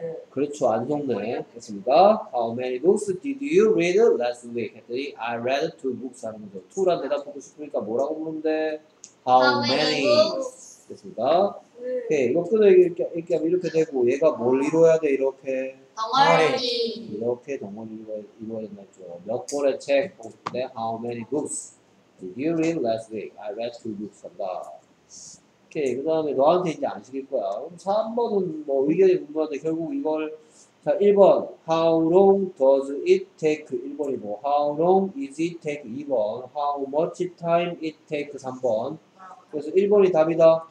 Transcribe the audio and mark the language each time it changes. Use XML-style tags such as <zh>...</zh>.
<ko>그렇죠 안 속네 됐습니까?</ko> <en>How many books did you read last week?</en> <ko>했더니</ko> <en>I read two books</en> <ko>하는 거죠 2란 대답 보고 싶으니까 뭐라고 부르면 돼?</ko> <en>How many?</en> <ko>됐습니다. 오케이. 이거 끊어 얘기하면 이렇게 되고, 얘가 뭘 이루어야 돼, 이렇게? 덩어리. 이렇게 덩어리를 이루어야 된다죠. 몇 권의 책 보는데,</ko> <en>How many books did you read last week? I read two books.</en> <ko>한다. 오케이. 그 다음에 너한테 이제 안 시킬 거야. 3번은 뭐 의견이 궁금한데, 결국 이걸, 자, 1번.</ko> <en>How long does it take?</en> <ko>1번이 뭐?</ko> <en>How long is it take?</en> <ko>2번.</ko> <en>How much time it take?</en> <ko>3번. 그래서 1번이 답이다.</ko>